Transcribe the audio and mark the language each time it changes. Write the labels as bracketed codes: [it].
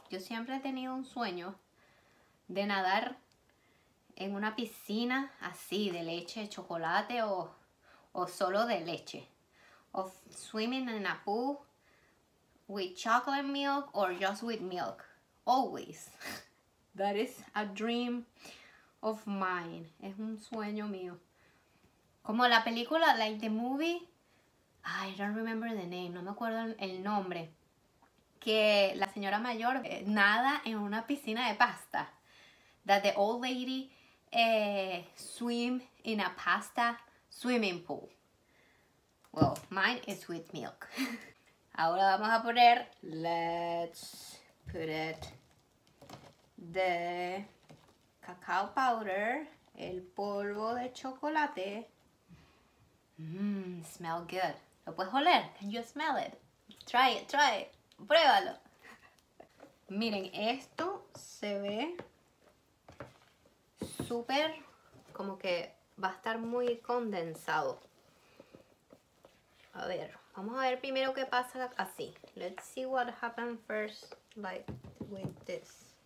[es] Yo siempre he tenido un sueño de nadar en una piscina así de leche, chocolate o solo de leche. [en] Of swimming in a pool with chocolate milk or just with milk. Always. That is a dream of mine. [es] Es un sueño mío. Como la película, [en] like the movie. I don't remember the name, [es] no me acuerdo el nombre. Que la señora mayor nada en una piscina de pasta. [en] That the old lady swim in a pasta swimming pool. Well, mine is with milk. [es] Ahora vamos a poner, [en] let's put it, the cacao powder, [es] el polvo de chocolate. [en] Smell good. [es] ¿Lo puedes oler? [en] Can you smell it? Try it, try it. [es] Pruébalo. Miren, esto se ve súper, como que va a estar muy condensado. A ver, vamos a ver primero qué pasa así. [en] Let's see what happened first, like, with this.